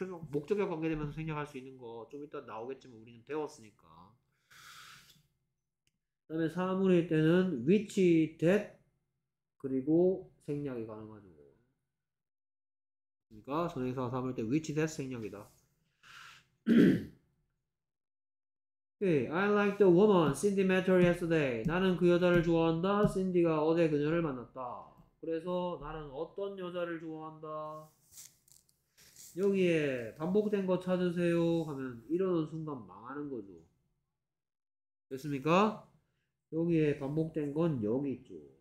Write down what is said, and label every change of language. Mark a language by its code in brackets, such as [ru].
[ko] 목적격 관계되면서 생략할 수 있는 거좀 이따 나오겠지만 우리는 배웠으니까. 그다음에 사물일 때는 위치, 댓 그리고 생략이 가능하죠. 그러니까 선행사가 사물일 때 위치, 댓 생략이다. [en] Okay, I like the woman Cindy met her yesterday. [ko] 나는 그 여자를 좋아한다. Cindy가 어제 그녀를 만났다. 그래서 나는 어떤 여자를 좋아한다. 여기에 반복된 거 찾으세요 하면 이러는 순간 망하는 거죠. 됐습니까? 여기에 반복된 건 여기 있죠.